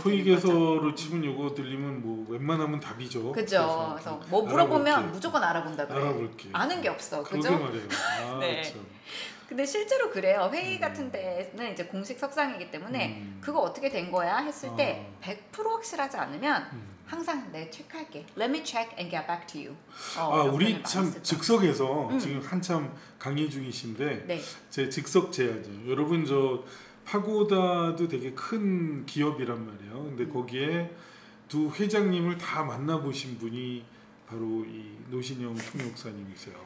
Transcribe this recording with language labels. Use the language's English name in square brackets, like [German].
[Korean] 토익에서로 치면 이거 들리면 뭐 웬만하면 답이죠. 그죠. 그래서 뭐 물어보면 알아볼게. 무조건 알아본다 그래요. 알아볼게. 아는 게 없어. 그죠? 그러게 말이에요. 아, 네. 근데 실제로 그래요. 회의 같은 데는 이제 공식 석상이기 때문에 그거 어떻게 된 거야 했을 때 100% 확실하지 않으면 항상 내 체크할게. [English] Let me check and get back to you. [Korean] 우리 참 즉석에서 지금 한참 강의 중이신데 네. 제 즉석 제안이 여러분 저 파고다도 되게 큰 기업이란 말이에요. 근데 거기에 두 회장님을 다 만나보신 분이 바로 이 노신영 총력사님이세요.